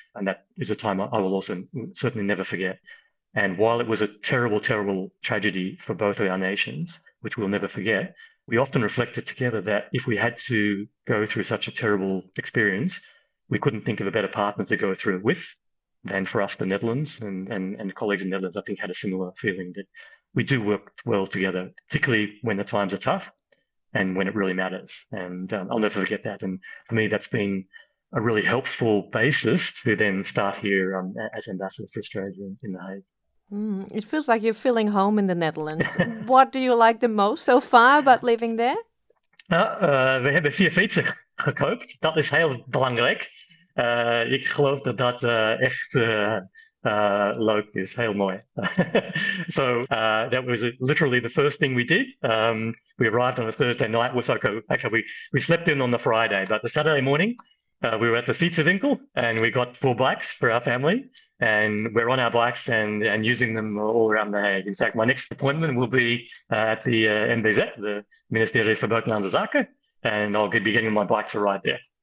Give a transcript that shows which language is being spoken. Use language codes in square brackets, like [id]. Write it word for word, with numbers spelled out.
[en] And that is a time I, I will also certainly never forget. And while it was a terrible, terrible tragedy for both of our nations, which we'll never forget, we often reflected together that if we had to go through such a terrible experience, we couldn't think of a better partner to go through it with than for us, the Netherlands, and, and, and colleagues in the Netherlands, I think, had a similar feeling that we do work well together, particularly when the times are tough and when it really matters. And um, I'll never forget that. And for me, that's been a really helpful basis to then start here um, as ambassador for Australia in, in The Hague. Mm, it feels like you're feeling home in the Netherlands. What do you like the most so far about living there? [nl] Nou, uh, we hebben vier fietsen gekoopt. Dat is heel belangrijk. Uh, ik geloof dat dat uh, echt uh, uh, leuk is. Heel mooi. [en] So uh, that was literally the first thing we did. Um, we arrived on a Thursday night. Was okay. Okay, we, we slept in on the Friday, but the Saturday morning, Uh, we were at the fietsenwinkel and we got four bikes for our family, and we're on our bikes and, and using them all around The Hague. In fact, my next appointment will be uh, at the uh, M B Z, the Ministerie for Buitenlandse Zaken, and I'll be getting my bike to ride there.